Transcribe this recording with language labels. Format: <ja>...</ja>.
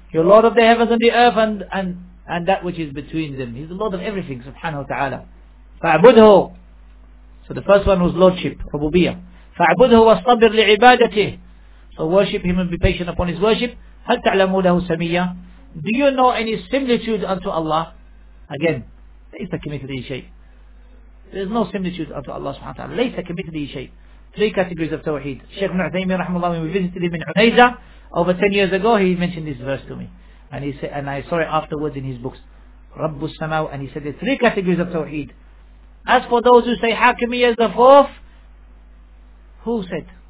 <en>You're Lord of the heavens and the earth and that which is between them. He's the Lord of everything, subhanahu wa ta'ala.</en> <ar>فَعْبُدْهُ.</ar> <en>So the first one was Lordship, Rububiyyah.</en> <ar>فَعْبُدْهُ وَاصْطَبِرْ لِعِبَادَتِهِ.</ar> <en>So worship him and be patient upon his worship.</en> <ar>هَلْ تَعْلَمُوا لَهُ سَمِيًّا.</ar> <en>Do you know any similitude unto Allah?</en> <ar>Again, لَيْسَ كَمِثْلِهِ شَيْءٍ.</ar> <en>There is no similitude unto Allah subhanahu wa ta'ala.</en> <ar>لَيْسَ كَمِثْلِهِ شَيْءٍ.</ar> <en>Three categories of Tawheed. Shaykh Nu'thaymin rahimahullah, when we visited him in Hunayza over 10 years ago, he mentioned this verse to me. And he said, and I saw it afterwards in his books.</en> <ar>رَبُّ السَّمَاءُ.</ar> <en>And he said, there are three categories of Tawheed. As for those who say, Hakimiyya is the fourth, who said?</en>